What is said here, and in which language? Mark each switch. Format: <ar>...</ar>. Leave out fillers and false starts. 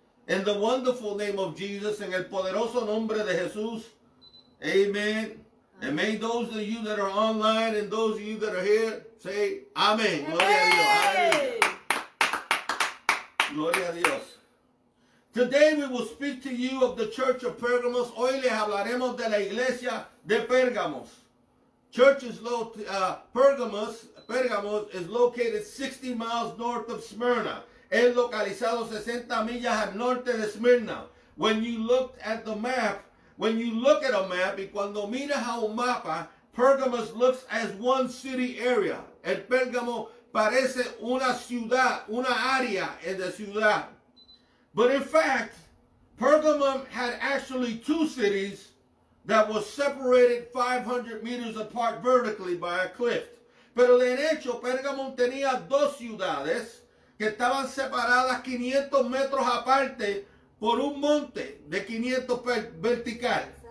<en>In the wonderful name of Jesus,</en> <es>en el poderoso nombre de Jesús,</es> <en>amen. And may those of you that are online and those of you that are here say, amen.</en> <es>Gloria a Dios. Gloria a Dios.</es> <en>Today we will speak to you of the Church of Pergamos.</en> <es>Hoy les hablaremos de la Iglesia de Pergamos.</es> <en>Church is Pergamos is located 60 miles north of Smyrna.</en> <es>Es localizado 60 millas al norte de Smyrna.</es> <en>When you look at a map,</en> <es>y cuando miras a un mapa,</es> <en>Pergamos looks as one city area.</en> <es>El Pérgamo parece una ciudad, una área en la ciudad.</es> <en>But in fact, Pergamum had actually two cities that were separated 500 meters apart vertically by a cliff.</en> <es>Pero de hecho, Pergamum tenía dos ciudades que estaban separadas 500 metros aparte por un monte de 500 vertical.</es>